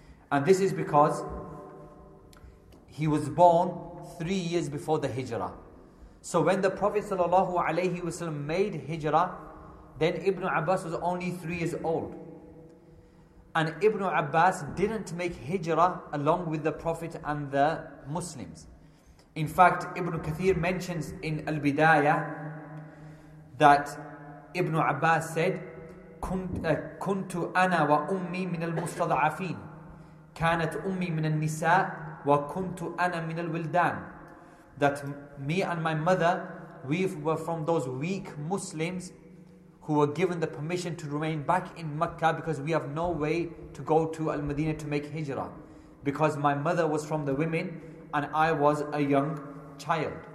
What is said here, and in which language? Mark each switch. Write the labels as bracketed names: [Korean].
[English] And this is because he was born 3 years before the Hijrah. So when the Prophet sallallahu alayhi wasallam made Hijrah, then Ibn Abbas was only 3 years old. And Ibn Abbas didn't make Hijrah along with the Prophet and the Muslims. In fact, Ibn Kathir mentions in Al-Bidayah that Ibn Abbas said, [Arabic] كنت أنا وأمي من المستضعفين كانت أمي من النساء وكنت أنا من الولدان. [English] That me and my mother, we were from those weak Muslims who were given the permission to remain back in Mecca because we have no way to go to Al-Madinah to make Hijrah, because my mother was from the women and I was a young child.